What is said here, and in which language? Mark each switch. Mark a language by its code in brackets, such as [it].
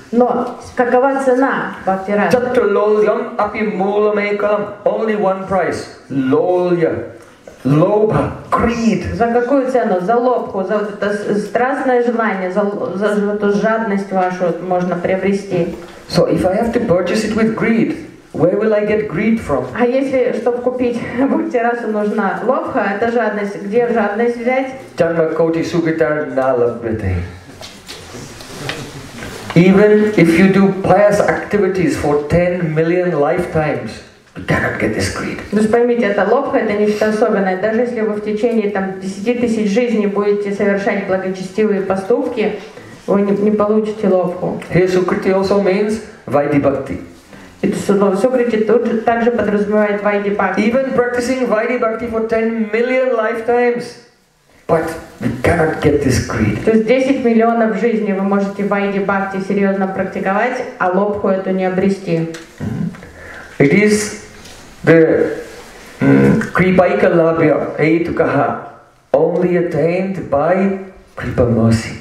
[ru] Но какова цена бхакти расы? [sa] Chattu lolyam api moolam ekam. [en] Only one price. Lolya. Lobha. Greed. [ru] За какую цену? За лобху, за вот это страстное желание, за эту жадность вашу можно приобрести. [en] So if I have to purchase it with greed, where will I get greed from? [ru] А если чтобы купить бхакти расу нужна лобха, это жадность. Где жадность взять? [sa] Janma koti sugitar na labhyate. [en] Even if you do pious activities for 10 million lifetimes, you cannot get this greed. [ru] То есть поймите, это лобха, это нечто особенное. Даже если вы в течение там 10 тысяч жизней будете совершать благочестивые поступки, вы не получите лобху. [en] Here sukriti also means Vaidhi-Bhakti. [ru] И Сукрити тут же также подразумевает Вайди-бхакти. [en] Even practicing Vaidhi-Bhakti for 10 million lifetimes, but we cannot get this greed. [ru] То есть 10 миллионов жизней вы можете Вайди-бхакти серьезно практиковать, а лобху эту не обрести. [en] It is the [sa] kripaika labhya etukaha [en] only attained by kripa mercy.